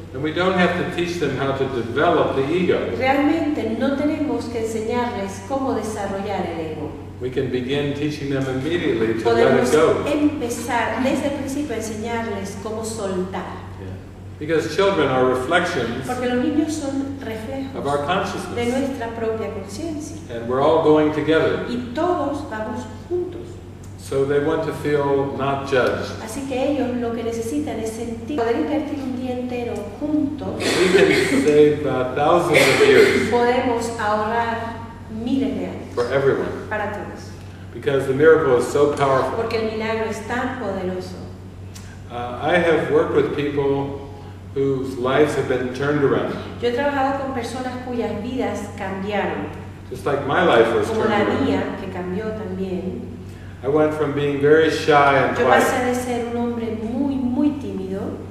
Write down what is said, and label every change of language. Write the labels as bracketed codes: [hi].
[en] And we don't have to teach them how to develop the ego. [es] Realmente no tenemos que enseñarles cómo desarrollar el ego. [en] We can begin teaching them immediately to [es] Podemos [en] let it go. [es] Empezar desde el principio a enseñarles cómo soltar. [en] Because children are reflections [es] Porque los niños son reflejos [en] of our consciousness. [es] De nuestra propia conciencia. [en] And we're all going together. [es] Y todos vamos juntos. [en] So they want to feel not judged. [es] Así que ellos lo que necesitan es sentir poder invertir un día entero juntos. [en] We can save thousands of years. [es] Podemos ahorrar miles de años. [en] For everyone. [es] Para todos. [en] Because the miracle is so powerful. [es] Porque el milagro es tan poderoso. [en] I have worked with people whose lives have been turned around. [es] Yo he trabajado con personas cuyas vidas cambiaron. [en] Just like my life was [es] Como [en] turned [es] la mía, [en] around. [es] Que cambió también. [en] I went from being very shy and [es] yo [en] quiet. [es] Yo pasé de ser un hombre muy, muy tímido.